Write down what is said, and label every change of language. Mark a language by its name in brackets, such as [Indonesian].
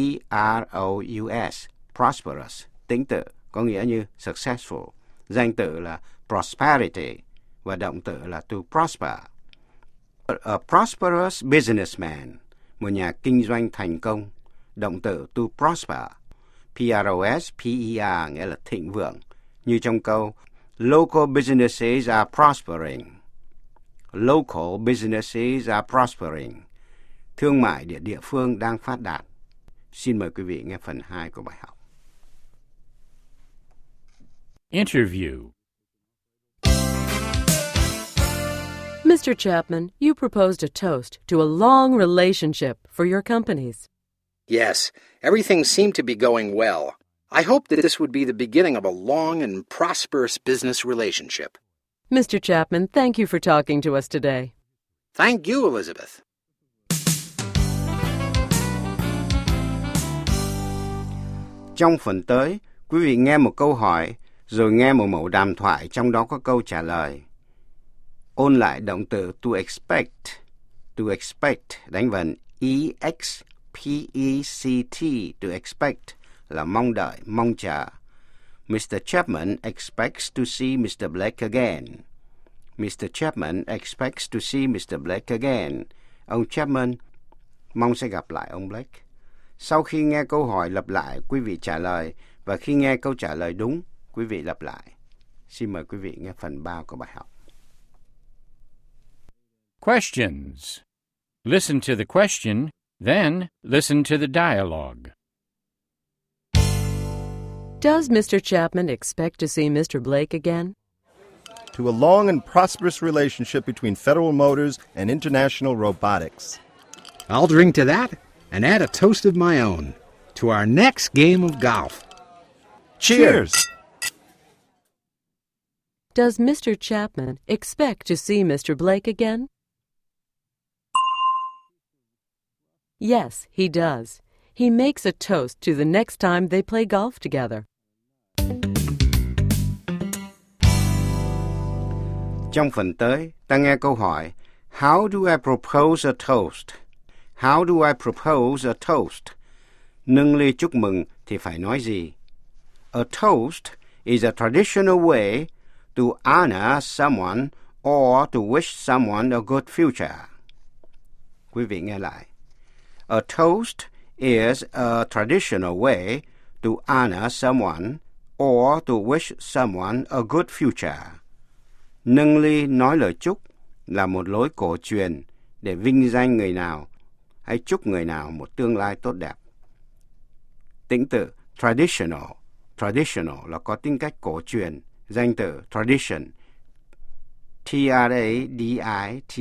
[Vietnamese] P-R-O-S-P-E-R-O-U-S. Prosperous. Tính tự có nghĩa như successful. Danh từ là prosperity và động từ là to prosper. [English] A prosperous businessman. [Vietnamese] Một nhà kinh doanh thành công. Động từ to prosper, P-R-O-S-P-E-R nghĩa là thịnh vượng, như trong câu [English] Local businesses are prospering. Local businesses are prospering. [Vietnamese] Thương mại địa phương đang phát đạt. Xin mời quý vị nghe phần 2 của bài học. [English] Interview. Mr. Chapman, you proposed a toast to a long relationship for your companies. Yes, everything seemed to be going well. I hope that this would be the beginning of a long and prosperous business relationship. Mr. Chapman, thank you for talking to us today. Thank you, Elizabeth. [Vietnamese] Trong phần tới, quý vị nghe một câu hỏi, rồi nghe một mẫu đàm thoại trong đó có câu trả lời. Ôn lại động từ to expect. To expect, đánh vần E-X. P-E-C-T, to expect, là mong đợi, mong chờ. Mr. [English] Chapman expects to see Mr. Blake again. Mr. Chapman expects to see Mr. Blake again. [Vietnamese] Ông Chapman mong sẽ gặp lại ông Blake. Sau khi nghe câu hỏi lặp lại, quý vị trả lời. Và khi nghe câu trả lời đúng, quý vị lặp lại. Xin mời quý vị nghe phần 3 của bài học. [English] Questions. Listen to the question. Then, listen to the dialogue. Does Mr. Chapman expect to see Mr. Blake again? To a long and prosperous relationship between Federal Motors and International Robotics. I'll drink to that and add a toast of my own to our next game of golf. Cheers! Does Mr. Chapman expect to see Mr. Blake again? Yes, he does. He makes a toast to the next time they play golf together. [Vietnamese] Trong phần tới, ta nghe câu hỏi, [English] How do I propose a toast? How do I propose a toast? [Vietnamese] Nâng ly chúc mừng thì phải nói gì? [English] A toast is a traditional way to honor someone or to wish someone a good future. [Vietnamese] Quý vị nghe lại. [English] A toast is a traditional way to honor someone or to wish someone a good future. [Vietnamese] Nâng ly nói lời chúc là một lối cổ truyền để vinh danh người nào hay chúc người nào một tương lai tốt đẹp. Tính từ traditional. Traditional là có tính cách cổ truyền. Danh từ tradition. T-R-A-D-I-T-I-O-N.